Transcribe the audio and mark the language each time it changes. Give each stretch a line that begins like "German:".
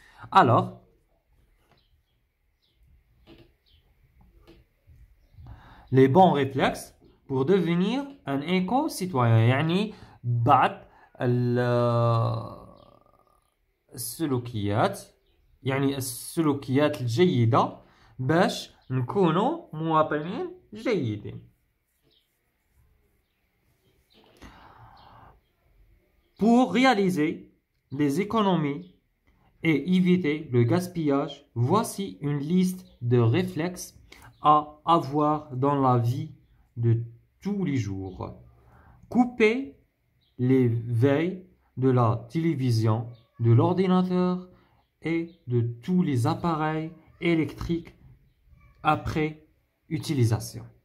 French: Alors, les bons réflexes pour devenir un éco-citoyen. Yani, bat le.
Arabic: السلوكيات يعني السلوكيات الجيدة باش نكونوا مواطنين جيدين.
French: Pour réaliser des économies et éviter le gaspillage, voici une liste de réflexes à avoir dans la vie de tous les jours. Couper les veilles de la télévision, de l'ordinateur et de tous les appareils électriques après utilisation.